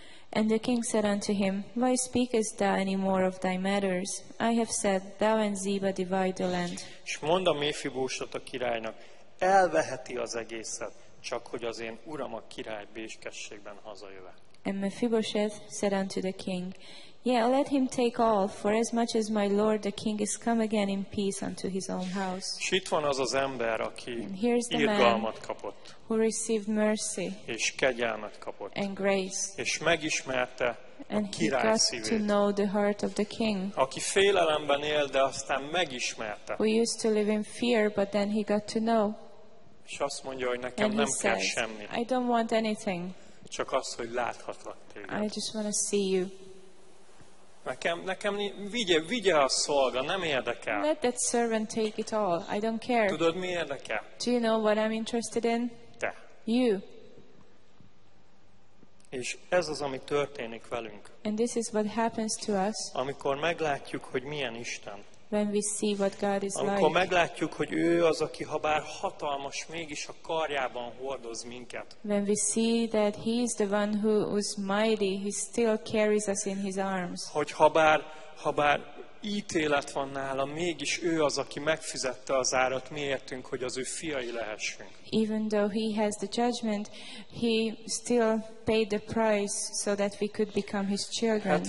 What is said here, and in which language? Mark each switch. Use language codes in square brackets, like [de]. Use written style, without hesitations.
[en] And the king said unto him, why speakest thou any more of thy matters? I have said, thou and Ziba divide the land. [hu] És mondd a Mefibósetet a királynak, elveheti az egészet, csak hogy az én uram a király békességben hazajöve. [en] And Mefibosheth said unto the king, yeah, let him take all, for as much as my lord the king is come again in peace unto his own house. [hu] És itt van az az ember, aki irgalmat kapott. [en] Who received mercy. [hu] És kegyelmet kapott. [en] And grace. [hu] És megismerte a király szívét. [en] And he got to know the heart of the king. [hu] Aki félelemben él, de aztán megismerte. [en] Who used to live in fear, but then he got to know. [hu] És azt mondja, hogy nekem nem kell semmi. [en] I don't want anything. [hu] Csak az, hogy láthatlak téged. [en] I just want to see you. [hu] Nekem vigye a szolga, nem érdekel. [en] Let that servant take it all. I don't care. [hu] Tudod, mi érdekel? [en] Do you know what I'm interested in? [hu] Te. [en] You. [hu] És ez az, ami történik velünk. [en] And this is what happens to us. [hu] Amikor meglátjuk, hogy milyen Isten. [en] When we see what God is [hu] amikor Amikor meglátjuk, hogy ő az, aki habár hatalmas, mégis a karjában hordoz minket. [en] When we see that he is the one who is mighty, he still carries us in his arms. [hu] Hogy habár ítélet van nála, mégis ő az, aki megfizette az árat miértünk, hogy az ő fiai lehessünk. [en] Even though he has the judgment, he still paid the price so that we could become his children.